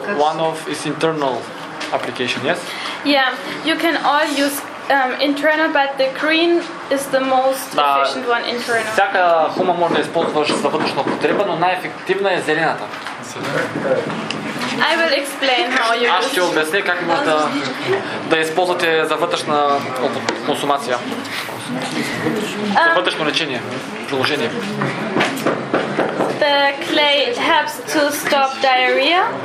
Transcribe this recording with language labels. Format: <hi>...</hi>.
<en>One of its internal application, yes? Yeah, you can all use internal, but the green is the most efficient one internal.</en> <bg>Всяка хума може да използваш за вътрешна потреба, но най-ефективна е зелената.</bg> <en>I will explain how you use.</en> <bg>Аз ще обясня как може да използвате за вътрешна консумация. За вътрешно лечение, приложение.</bg> <en>The clay helps to stop diarrhea.</en>